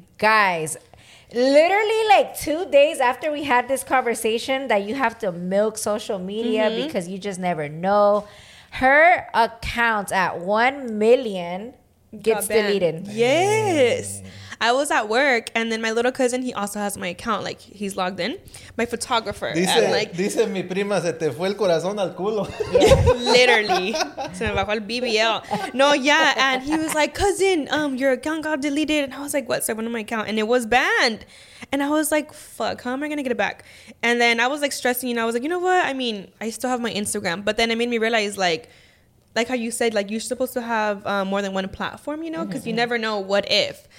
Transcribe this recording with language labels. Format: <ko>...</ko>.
<en>Guys, literally like 2 days after we had this conversation that you have to milk social media because you just never know, her account at 1 million gets deleted. Yes. I was at work, and then my little cousin, he also has my account. Like, he's logged in. My photographer.</en> <es>Dice mi prima, se te fue el corazón al culo.</es> <en>Literally.</en> <es>Se me bajó el BBL.</es> <en>No, yeah. And he was like, cousin, your account got deleted. And I was like, what? So I went to my account, and it was banned. And I was like, fuck, how am I going to get it back? And then I was, like, stressing, and I was like, you know what? I mean, I still have my Instagram. But then it made me realize, like how you said, like, you're supposed to have more than one platform, you know, because you never know what if.</en>